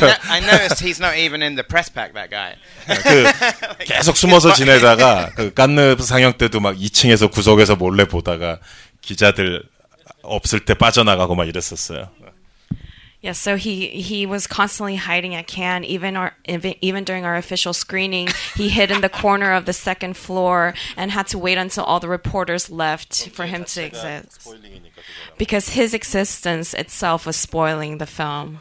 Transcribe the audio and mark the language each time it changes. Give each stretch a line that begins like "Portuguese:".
English: I noticed he's not even in the press pack. That guy.
Korean: 계속 숨어서 지내다가 그 깐느 상영 때도 막 2층에서 구석에서 몰래 보다가 기자들 없을 때 빠져나가고 막 이랬었어요.
English: Yes, so he was constantly hiding at Cannes. Even during our official screening, he hid in the corner of the second floor and had to wait until all the reporters left for him to exist. Because his existence itself was spoiling the film.